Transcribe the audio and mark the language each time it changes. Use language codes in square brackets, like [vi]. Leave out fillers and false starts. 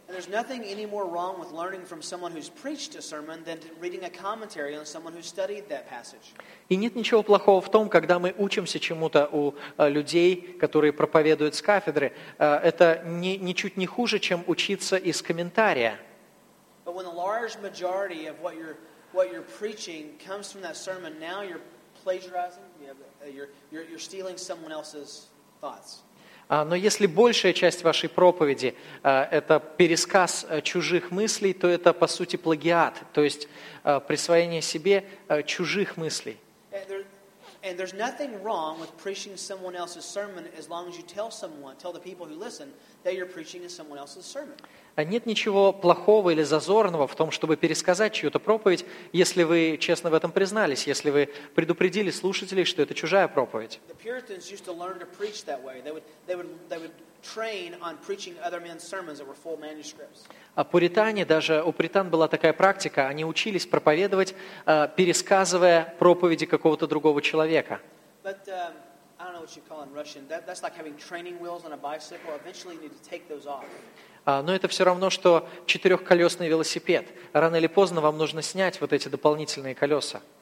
[ru] И нет ничего плохого в том, когда мы учимся чему-то у людей, которые проповедуют с кафедры. Это ничуть не хуже, чем учиться из комментария. Но когда большая большинство того, что вы [en] What you're preaching comes from that sermon. Now you're plagiarizing. You're stealing someone else's thoughts. [ru] Но если большая часть вашей проповеди это пересказ чужих мыслей, то это по сути плагиат, то есть присвоение себе чужих мыслей. [en] And there's nothing wrong with preaching someone else's sermon as long as you tell the people who listen that you're preaching in someone else's sermon. [ru] Нет ничего плохого или зазорного в том, чтобы пересказать чью-то проповедь, если вы честно в этом признались, если вы предупредили слушателей, что это чужая проповедь. [en] The Puritans used to learn to preach that way. They would train on preaching other men's sermons that were full manuscripts. [ru] А пуритане, даже у пуритан была такая практика, они учились проповедовать, пересказывая проповеди какого-то другого человека. [en] But, I don't know what you call in Russian. That's like having training wheels on a bicycle. Eventually you need to take those off. [ru] Но это все равно, что четырехколесный велосипед. Рано или поздно вам нужно снять вот эти дополнительные колеса.